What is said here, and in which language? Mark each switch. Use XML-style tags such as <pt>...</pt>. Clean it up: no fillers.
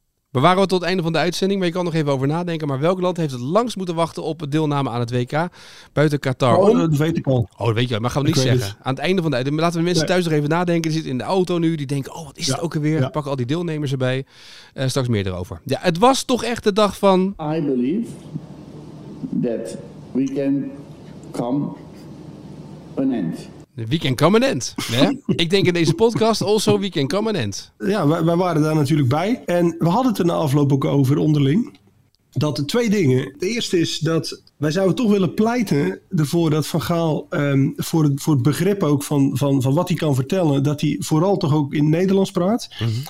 <nl>We waren tot het einde van de uitzending, maar je kan nog even over nadenken. Maar welk land heeft het langst moeten wachten op deelname aan het WK buiten Qatar? Oh, dat weet ik al. Oh, dat weet je wel, maar gaan we niet zeggen. Aan het einde van de uitzending, laten we de mensen thuis nog even nadenken. Die zitten in de auto nu, die denken, oh, wat is het ook alweer? Ja. Pakken al die deelnemers erbij. Straks meer erover. Ja, het was toch echt de dag van...</nl> <en>I believe that we can come an end.</en> <nl>Weekend Commandant. Hè? Ik denk in deze podcast also Weekend Commandant. Ja, wij waren daar natuurlijk bij. En we hadden het er na afloop ook over onderling. Dat er twee dingen. De eerste is dat wij zouden toch willen pleiten ervoor dat Van Gaal voor het begrip ook van wat hij kan vertellen, dat hij vooral toch ook in Nederlands praat. Mm-hmm.</nl>